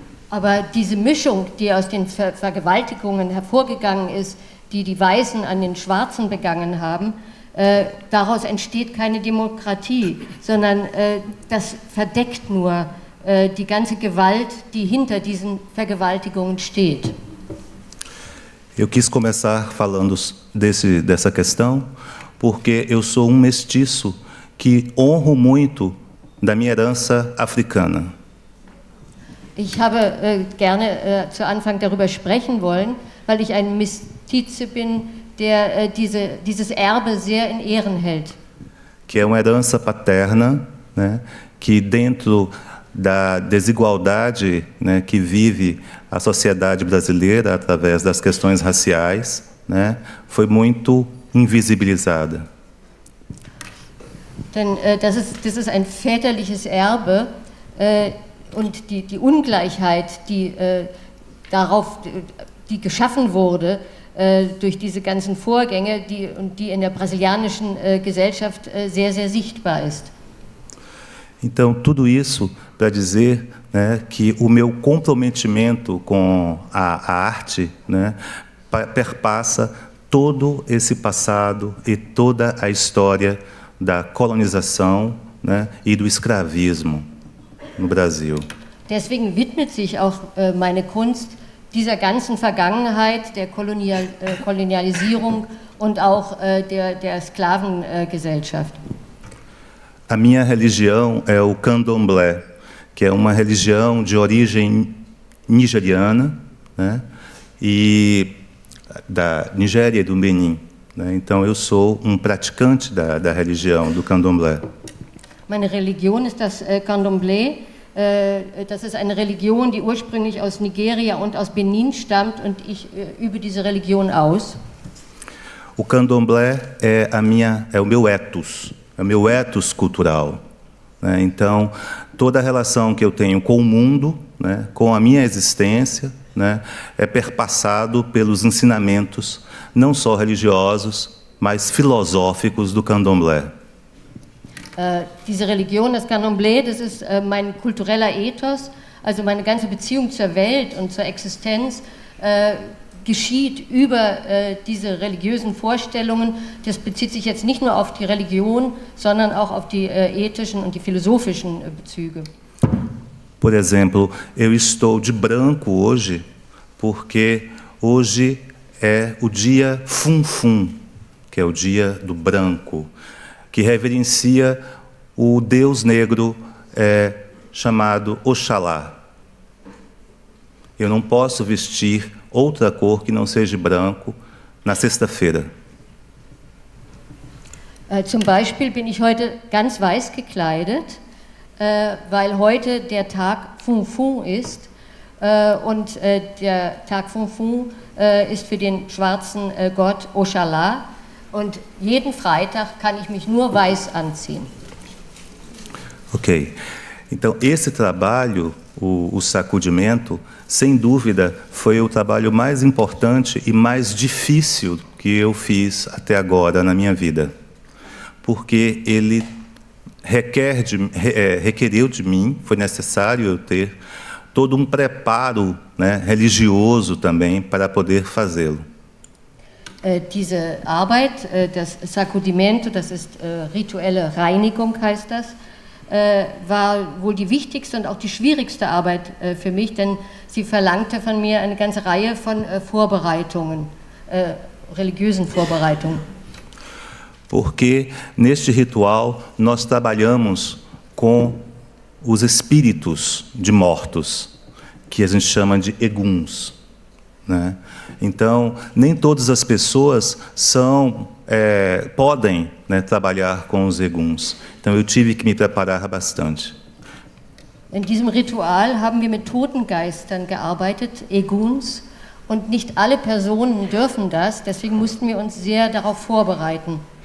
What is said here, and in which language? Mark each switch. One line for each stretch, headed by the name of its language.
German: Aber diese Mischung, die aus den Vergewaltigungen hervorgegangen ist, die Weißen an den Schwarzen begangen haben, daraus entsteht keine Demokratie, sondern das verdeckt nur die ganze Gewalt, die hinter diesen Vergewaltigungen steht.
Portuguese: Eu quis começar falando dessa questão, porque eu sou mestiço que honro muito da minha herança africana.
German: Ich habe gerne zu Anfang darüber sprechen wollen, weil ich ein Mestize bin, der dieses Erbe sehr in Ehren hält.
Portuguese: Que é uma herança paterna, que dentro da desigualdade, que vive a sociedade brasileira através das questões raciais, foi muito invisibilizada.
German: Denn das ist ein väterliches Erbe und die Ungleichheit, die geschaffen wurde durch diese ganzen Vorgänge, die in der brasilianischen Gesellschaft sehr sehr sichtbar ist.
Portuguese: Então tudo isso para dizer, que o meu comprometimento com a arte, perpassa todo esse passado e toda a história da colonização, e do escravismo no Brasil.
German: Deswegen widmet sich auch meine Kunst dieser ganzen Vergangenheit der Kolonialisierung und auch der Sklavengesellschaft.
Portuguese: A minha religião é o Candomblé, que é uma religião de origem nigeriana, e da Nigéria e do Benin, Então eu sou praticante da religião do Candomblé.
German: Meine Religion ist das Candomblé. Das ist eine Religion, die ursprünglich aus Nigeria und aus Benin stammt, und ich übe diese Religion aus.
Portuguese: O Candomblé é o meu ethos, é o meu ethos cultural. Então, toda a relação que eu tenho com o mundo, com a minha existência, é perpassado pelos ensinamentos, não só religiosos, mas filosóficos do Candomblé.
German: Diese Religion, das Candomblé, das ist mein kultureller Ethos, also meine ganze Beziehung zur Welt und zur Existenz geschieht über diese religiösen Vorstellungen. Das bezieht sich jetzt nicht nur auf die Religion, sondern auch auf die ethischen und die philosophischen Bezüge.
Portuguese: Por exemplo, eu estou de branco hoje, porque hoje é o dia Funfun, que é o dia do branco, que reverencia o deus negro chamado Oxalá. Eu não posso vestir outra cor que não seja branco na sexta-feira.
German: Zum Beispiel bin ich heute ganz weiß gekleidet, weil heute der Tag Funfun ist und der Tag Funfun ist für den schwarzen Gott Oxalá und jeden Freitag kann ich mich nur weiß anziehen. Okay.
Portuguese: Então esse trabalho, o sacudimento, sem dúvida, foi o trabalho mais importante e mais difícil que eu fiz até agora na minha vida. Porque ele requereu de mim, foi necessário eu ter todo um preparo, né, religioso também para poder fazê-lo.
German: Diese Arbeit, das Sacudimento, das ist rituelle Reinigung, heißt das, war wohl die wichtigste und auch die schwierigste Arbeit für mich, denn sie verlangte von mir eine ganze Reihe von Vorbereitungen, religiösen Vorbereitungen.
Portuguese: Porque neste ritual nós trabalhamos com os espíritos de mortos, que a gente chama de eguns, né? Então, nem todas as pessoas são, podem, né, trabalhar com os eguns. Então, eu tive que me preparar bastante.
German: In diesem Ritual haben wir mit toten Geistern gearbeitet, eguns, und nicht alle Personen dürfen das, deswegen mussten wir uns sehr darauf vorbereiten.